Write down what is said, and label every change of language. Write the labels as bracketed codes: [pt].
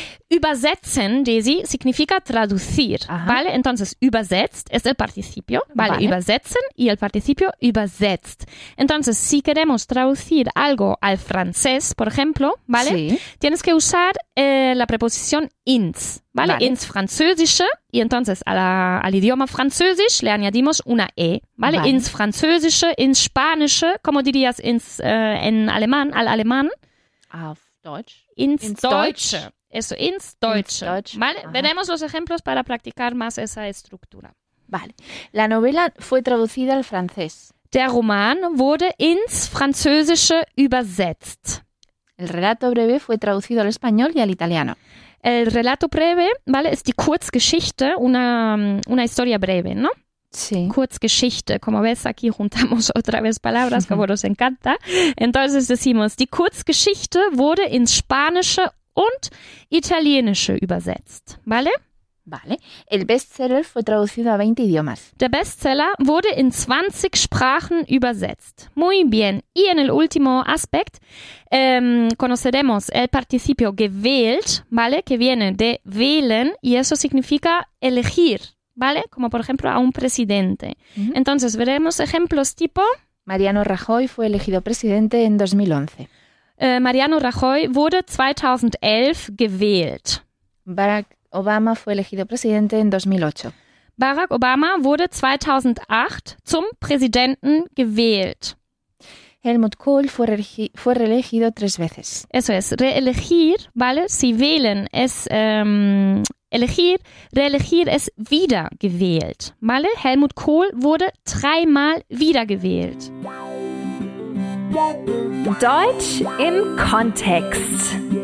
[es] Übersetzen, Daisy, significa traducir. Aha. ¿Vale? Entonces, übersetzt es el participio. ¿Vale? Übersetzen y el participio übersetzt. Entonces, si queremos traducir algo al francés, por ejemplo, ¿vale? Sí. Tienes que usar la preposición ins. ¿Vale? ¿Vale? [de] Ins Französische. [es] Y entonces, al idioma französisch le añadimos una E. ¿Vale? ¿Vale? [de] Ins Französische, ins Spanische. [es] ¿Cómo dirías ins, en alemán, al alemán? [de] Auf Deutsch. Ins Deutsche. Deutsch. [es] Eso, [de] ins Deutsche. Ins Deutsch. ¿Vale? Ajá. [es] Veremos los ejemplos para practicar más esa estructura. Vale. La novela fue traducida al francés. [de] Der Roman wurde ins Französische übersetzt. [es] El relato breve fue traducido al español y al italiano. El relato breve, ¿vale? Es die Kurzgeschichte, una historia breve, ¿no? Sí. Kurzgeschichte. Como ves, aquí juntamos otra vez palabras, como nos encanta. Entonces decimos, [de] die Kurzgeschichte wurde ins Spanische und Italienische übersetzt. [es] ¿Vale? Vale. El bestseller fue traducido a 20 idiomas. [de] Der Bestseller wurde in 20 Sprachen übersetzt. [es] Muy bien. Y en el último aspecto, conoceremos el participio gewählt, ¿vale? Que viene de wählen y eso significa elegir. ¿Vale? Como por ejemplo a un presidente. Uh-huh. Entonces veremos ejemplos tipo... Mariano Rajoy fue elegido presidente en 2011. [de] Mariano Rajoy wurde 2011 gewählt. [es] Barack Obama fue elegido presidente en 2008. [de] Barack Obama wurde 2008 zum Präsidenten gewählt. [es] Helmut Kohl fue reelegido tres veces. Eso es, reelegir, ¿vale? Si wählen es... elegir, reelegir es wiedergewählt. ¿Vale? [de] Helmut Kohl wurde dreimal wiedergewählt. Deutsch im Kontext.